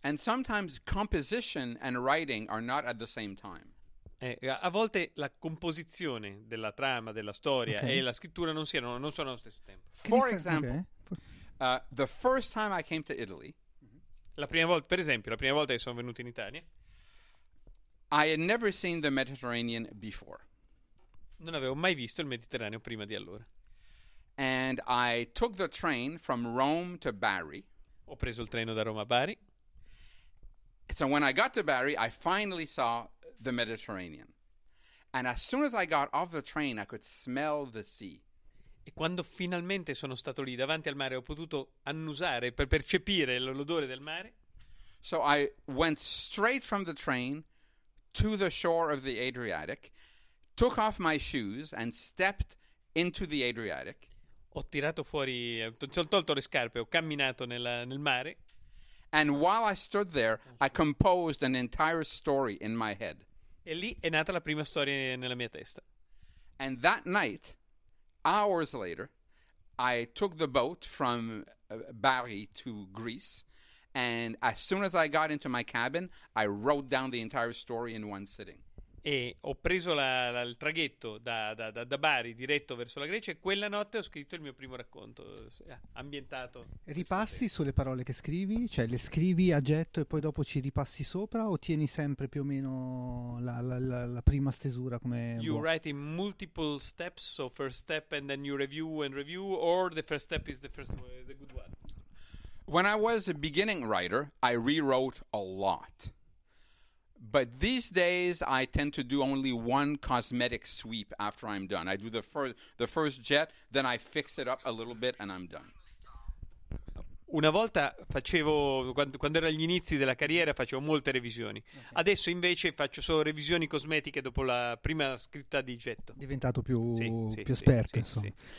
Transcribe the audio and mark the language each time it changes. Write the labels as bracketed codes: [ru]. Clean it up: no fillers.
[en] And sometimes composition and writing are not at the same time. [it] A volte la composizione della trama, della storia, okay, e la scrittura non sono allo stesso tempo. [en] For example, the first time I came to Italy. Mm-hmm. [it] La prima volta che sono venuto in Italia. [en] I had never seen the Mediterranean before. [it] Non avevo mai visto il Mediterraneo prima di allora. [en] And I took the train from Rome to Bari. [it] Ho preso il treno da Roma a Bari. [en] So when I got to Bari, I finally saw the Mediterranean. And as soon as I got off the train, I could smell the sea. [it] E quando finalmente sono stato lì davanti al mare, ho potuto annusare per percepire l'odore del mare. [en] So I went straight from the train to the shore of the Adriatic. Took off my shoes and stepped into the Adriatic. [it] Ho tirato fuori, ho tolto le scarpe, ho camminato nel mare. [en] And while I stood there, I composed an entire story in my head. [it] E lì è nata la prima storia nella mia testa. [en] And that night, hours later, I took the boat from Bari to Greece. And as soon as I got into my cabin, I wrote down the entire story in one sitting. [it] E ho preso il traghetto da Bari diretto verso la Grecia e quella notte ho scritto il mio primo racconto ambientato. Ripassi sulle parole che scrivi? Cioè le scrivi a getto e poi dopo ci ripassi sopra o tieni sempre più o meno la prima stesura? Come [en] you write in multiple steps, so first step and then you review and review, or the first step is the first one, the good one. When I was a beginning writer, I rewrote a lot. But these days I tend to do only one cosmetic sweep after I'm done. I do the first jet, then I fix it up a little bit and I'm done. [it] Una volta facevo, quando ero agli inizi della carriera, facevo molte revisioni. Okay. Adesso invece faccio solo revisioni cosmetiche dopo la prima scritta di getto. Diventato più, sì, più, sì, esperto, sì, insomma.